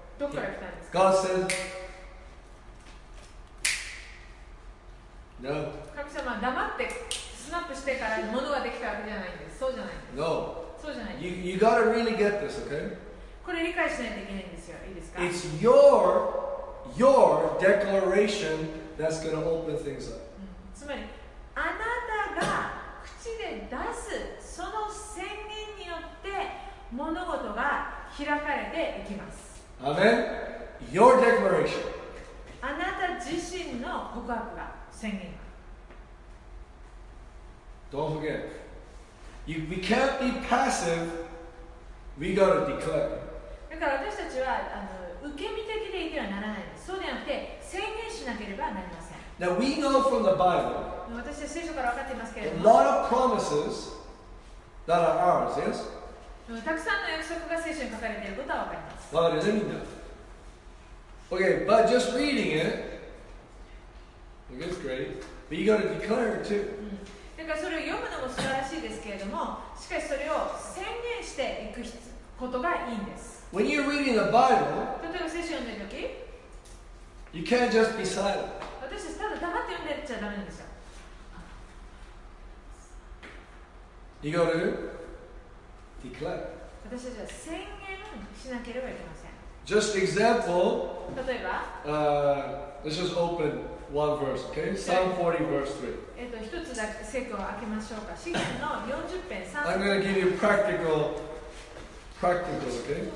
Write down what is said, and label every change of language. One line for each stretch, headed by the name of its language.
Japanese: どこから来たんですか?
English: God said,No.
Japanese: 神様は黙ってスナップしてから物ができたわけじゃないんです。そうじゃないんです。
English: No.
Japanese: そうじゃないんです。
English: You gotta really get this, okay?
Japanese: これ理解しないといけないんですよ。いいですか?
English: It's your declaration that's gonna open things up.
Japanese: つまり、あなたが口で出すその宣言によって物事が開かれていきます。
English: Amen? Your declaration.
Japanese: あなた自身の告白が。
English: Don't forget. We can't be passive. We gotta declare.
Japanese: だから私たちはあの受け身的でいてはならないです。そうではなくて宣言しなければなりません。
English: Now we know from the Bible.
Japanese: 私たち聖書から分かっていますけれども。
English: A lot of promises that are ours, yes?
Japanese: たくさんの約束が聖書に書かれていることは分かります。
English: Well, it isn't enough. Okay, but just reading it. It's great. But you gotta declare it too.
Japanese: だからそれを読むのも素晴らしいですけれども、しかしそれを宣言していくことがいいんです。
English: When you're reading the Bible,
Japanese: 例えば聖書を読んでいるとき、
English: you can't just be silent.
Japanese: 私はただ黙って読んでっちゃダメなんですよ。
English: You gotta declare.
Japanese: 私たちは宣言しなければいけません。
English: Just example,
Japanese: 例えば、
English: let's just open. One verse, okay? Psalm 40, verse 3.
Japanese: 一つだけ聖句を開けましょうか。詩篇の40篇3
English: 節。I'm going to give you practical, okay?